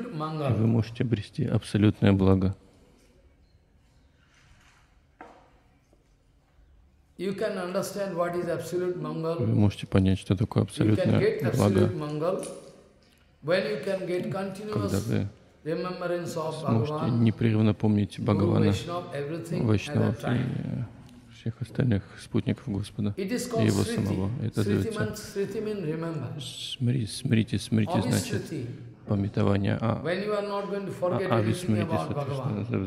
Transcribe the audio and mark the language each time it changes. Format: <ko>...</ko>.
<ru>Вы можете обрести абсолютное благо.</ru> <en>You can understand what is absolute mangal.</en> <ru>Вы можете понять, что такое абсолютное благо.</ru> <en>When you can get continuous remembrance of Bhagavan,</en> <ru>можете непрерывно помнить Бхагавана, Вайшнава и всех остальных спутников Господа и Его самого. Это называется смирите, значит, памятование Ависмирити, соответственно,</ru>